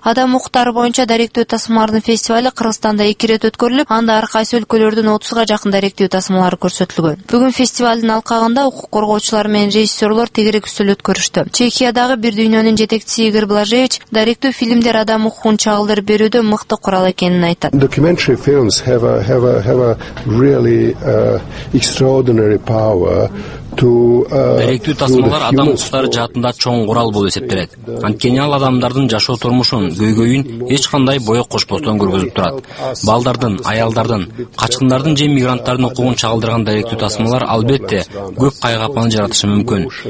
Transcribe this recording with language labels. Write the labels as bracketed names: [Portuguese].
[Kyrgyz] Адам укуктары боюнча даректүү тасмалардын фестивали Кыргызстанда 2 ирет өткөрүлүп, анда ар кайсы өлкөлөрдүн 30га жакын даректүү тасмалары көрсөтүлгөн. Бүгүн фестивалдын алкагында укук коргоочулар менен режиссерлор тегерек үстөл өткөрүштү. Чехиядагы бир дүйнөнүн жетекчиси Игорь Блажевич даректүү фильмдер адам укугун чагылдырып берүүдө мыкты курал экенин айтат. [English] Documentary films have a really extraordinary power. [Kyrgyz] Даректүү тасмалар адам укуктары жаатында чоң курал болуп эсептелет. Анткени ал адамдардын жашоо турмушун, көйгөйүн эч кандай боек кошпостон көргөзүп турат. Балдардын, аялдардын, качкындардын же мигранттардын укугун чагылдырган даректүү тасмалар албетте көп кайгапаны жаратышы мүмкүн.